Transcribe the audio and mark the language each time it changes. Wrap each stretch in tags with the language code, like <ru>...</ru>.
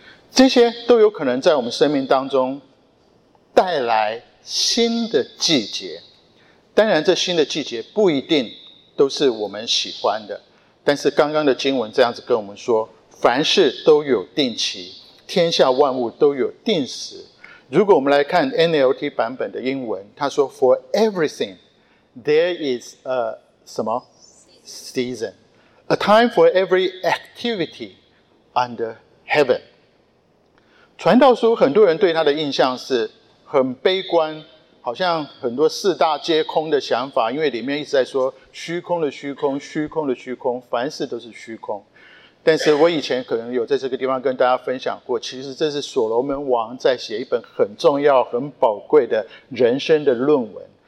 <zh>这些都有可能在我们生命当中带来新的季节。当然这新的季节不一定都是我们喜欢的，但是刚刚的经文这样子跟我们说，凡事都有定期，天下万物都有定时。如果我们来看 NLT 版本的英文，他说</zh> <en>For everything there is a</en> <zh>什么</zh> <en>season, a time for every activity under heaven。</en> <zh>传道书很多人对他的印象是很悲观，好像很多四大皆空的想法，因为里面一直在说虚空的虚空，虚空的虚空，凡事都是虚空。但是我以前可能有在这个地方跟大家分享过，其实这是所罗门王在写一本很重要很宝贵的人生的论文。</zh>